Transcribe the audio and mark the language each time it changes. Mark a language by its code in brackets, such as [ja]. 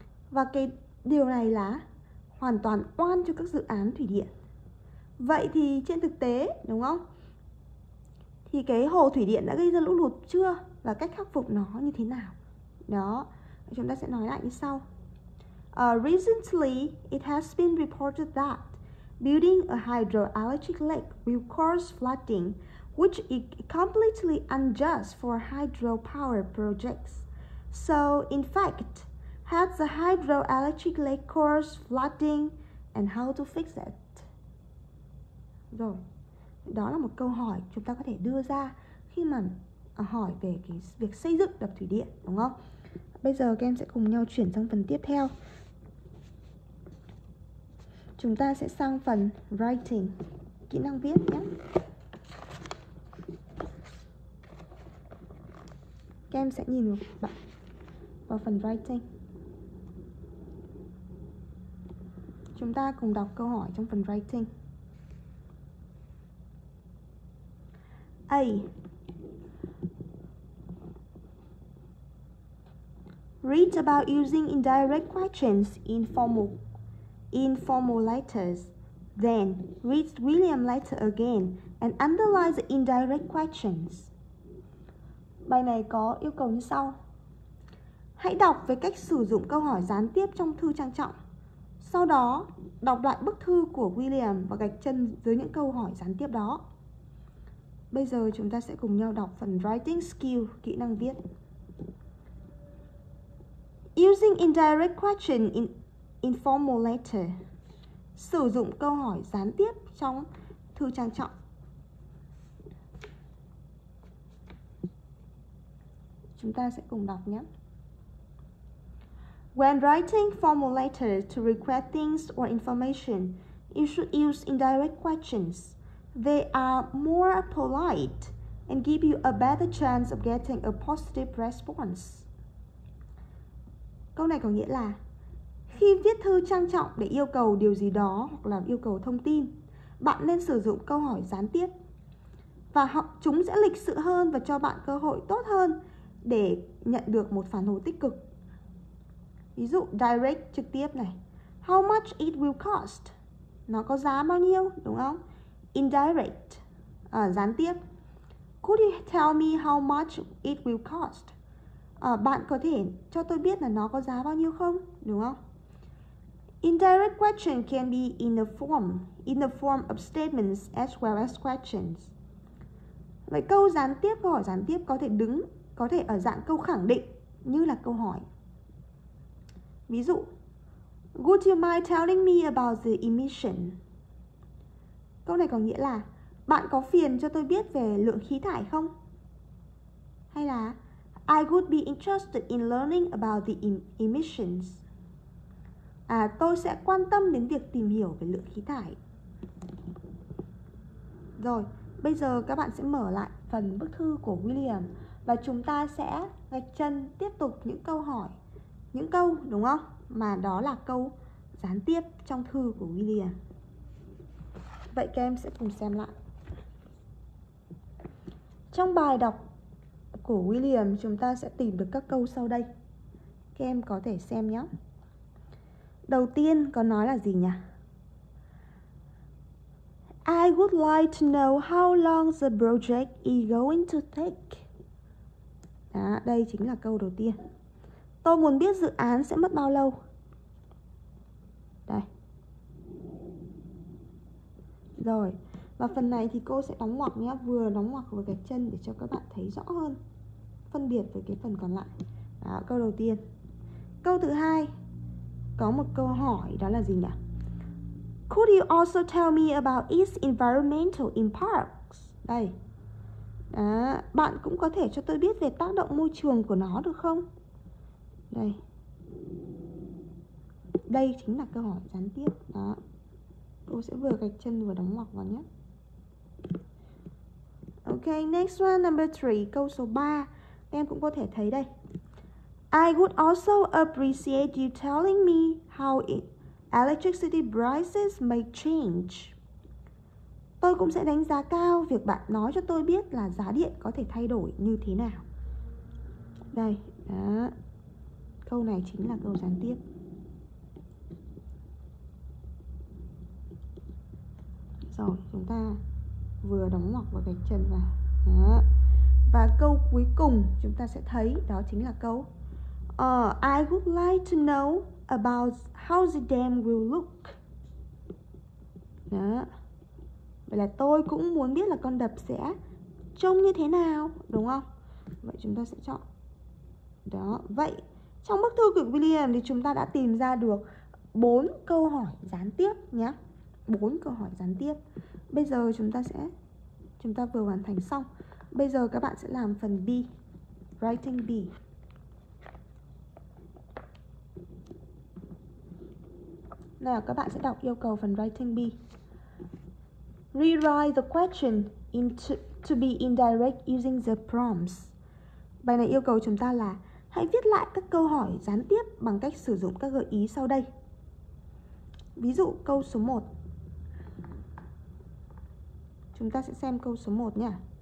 [vi] Và cái điều này là hoàn toàn oan cho các dự án thủy điện. Vậy thì trên thực tế, đúng không? Thì cái hồ thủy điện đã gây ra lũ lụt chưa? Và cách khắc phục nó như thế nào? Đó, chúng ta sẽ nói lại như sau. [en] Recently, it has been reported that building a hydroelectric lake will cause flooding, which is completely unjust for hydropower projects. So, in fact, has the hydroelectric lake caused flooding and how to fix it? [vi] Rồi, đó là một câu hỏi chúng ta có thể đưa ra khi mà hỏi về cái việc xây dựng đập thủy điện, đúng không? Bây giờ các em sẽ cùng nhau chuyển sang phần tiếp theo. Chúng ta sẽ sang phần writing, kỹ năng viết nhé. Các em sẽ nhìn vào phần writing. Chúng ta cùng đọc câu hỏi trong phần writing. [en] A. Read about using indirect questions in formal letters. Then, read William's letter again and analyze the indirect questions. [vi] Bài này có yêu cầu như sau. Hãy đọc về cách sử dụng câu hỏi gián tiếp trong thư trang trọng. Sau đó, đọc lại bức thư của William và gạch chân dưới những câu hỏi gián tiếp đó. Bây giờ chúng ta sẽ cùng nhau đọc phần writing skill, kỹ năng viết. [en] Using indirect question in informal letter. [vi] Sử dụng câu hỏi gián tiếp trong thư trang trọng. Chúng ta sẽ cùng đọc nhé. [en] When writing formal letters to request things or information, you should use indirect questions. They are more polite and give you a better chance of getting a positive response. [vi] Câu này có nghĩa là khi viết thư trang trọng để yêu cầu điều gì đó hoặc là yêu cầu thông tin, bạn nên sử dụng câu hỏi gián tiếp. Và chúng sẽ lịch sự hơn và cho bạn cơ hội tốt hơn để nhận được một phản hồi tích cực. Ví dụ direct trực tiếp này. [en] How much it will cost? [vi] Nó có giá bao nhiêu, đúng không? Indirect, gián tiếp. [en] Could you tell me how much it will cost? [vi] Bạn có thể cho tôi biết là nó có giá bao nhiêu không, đúng không? [en] Indirect question can be in the form of statements as well as questions. [vi] Vậy câu gián tiếp, câu hỏi gián tiếp có thể ở dạng câu khẳng định như là câu hỏi. Ví dụ, [en] would you mind telling me about the emission? [vi] Câu này có nghĩa là bạn có phiền cho tôi biết về lượng khí thải không? Hay là [en] I would be interested in learning about the emissions. [vi] Tôi sẽ quan tâm đến việc tìm hiểu về lượng khí thải. Rồi, bây giờ các bạn sẽ mở lại phần bức thư của William. Và chúng ta sẽ gạch chân tiếp tục những câu hỏi, những câu, đúng không? Mà đó là câu gián tiếp trong thư của William. Vậy các em sẽ cùng xem lại. Trong bài đọc của William, chúng ta sẽ tìm được các câu sau đây. Các em có thể xem nhé. Đầu tiên có nói là gì nhỉ? [en] I would like to know how long the project is going to take. [vi] Đó, đây chính là câu đầu tiên. Tôi muốn biết dự án sẽ mất bao lâu. Đây. Rồi, và phần này thì cô sẽ đóng ngoặc nhé. Vừa đóng ngoặc vừa gạch chân để cho các bạn thấy rõ hơn, phân biệt với cái phần còn lại. Đó, câu đầu tiên. Câu thứ hai, có một câu hỏi đó là gì nhỉ? Could you also tell me about its environmental impacts? Đây. Đó, bạn cũng có thể cho tôi biết về tác động môi trường của nó được không? Đây. Đây chính là câu hỏi gián tiếp. Đó. Cô sẽ vừa gạch chân vừa đóng ngoặc vào nhé. [en] Ok, next one, number 3. [vi] Câu số 3. Em cũng có thể thấy đây. [en] I would also appreciate you telling me how electricity prices may change. [vi] Tôi cũng sẽ đánh giá cao việc bạn nói cho tôi biết là giá điện có thể thay đổi như thế nào. Đây, đó. Câu này chính là câu gián tiếp. Rồi, chúng ta vừa đóng ngoặc và gạch chân vào. Đó. Và câu cuối cùng chúng ta sẽ thấy đó chính là câu [en] I would like to know about how the dam will look. [vi] Đó. Vậy là tôi cũng muốn biết là con đập sẽ trông như thế nào, đúng không? Vậy chúng ta sẽ chọn. Đó, vậy trong bức thư của William thì chúng ta đã tìm ra được 4 câu hỏi gián tiếp nhé. 4 câu hỏi gián tiếp. Bây giờ chúng ta vừa hoàn thành xong. Bây giờ các bạn sẽ làm phần B. Writing B. Nào, các bạn sẽ đọc yêu cầu phần writing B. [en] Rewrite the question to be indirect using the prompts. [vi] Bài này yêu cầu chúng ta là hãy viết lại các câu hỏi gián tiếp bằng cách sử dụng các gợi ý sau đây. Ví dụ câu số 1. Chúng ta sẽ xem câu số 1 nhé.